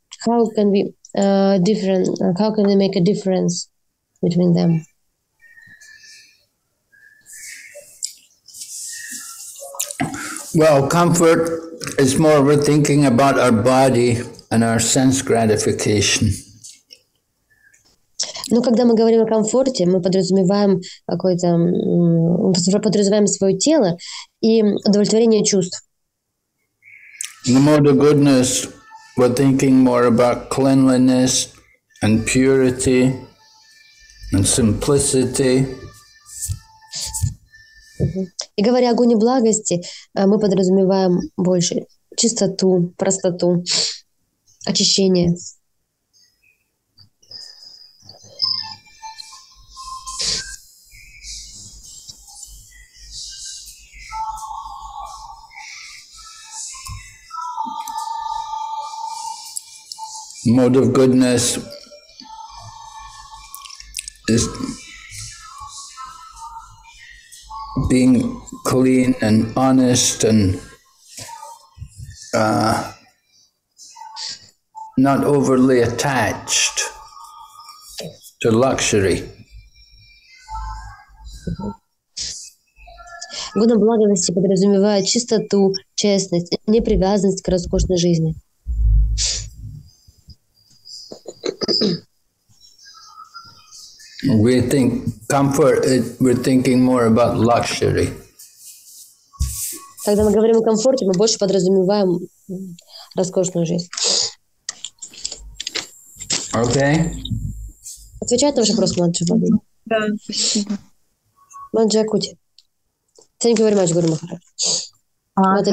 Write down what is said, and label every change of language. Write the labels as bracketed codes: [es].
[en] How can we different? How can we make a difference between them? Well, comfort is more of a thinking about our body and our sense gratification. [ru] Ну, когда мы говорим о комфорте, мы подразумеваем какое-то, подразумеваем свое тело и удовлетворение чувств. [en] The mode of goodness, we're thinking more about cleanliness and purity and simplicity. [ru] И говоря о гуне благости, мы подразумеваем больше чистоту, простоту, очищение. [en] Mode of goodness is being clean and honest and not overly attached to luxury. [ru] Гуна благости подразумевает чистоту, честность, непривязанность к роскошной жизни. [en] We think comfort, we're thinking more about luxury. [ru] Когда мы говорим о комфорте, мы больше подразумеваем роскошную жизнь. Окей. Отвечает на ваш вопрос, Маджи? Да, спасибо. [en] Маджи Акути. Thank you very much, Гуру Махарадж.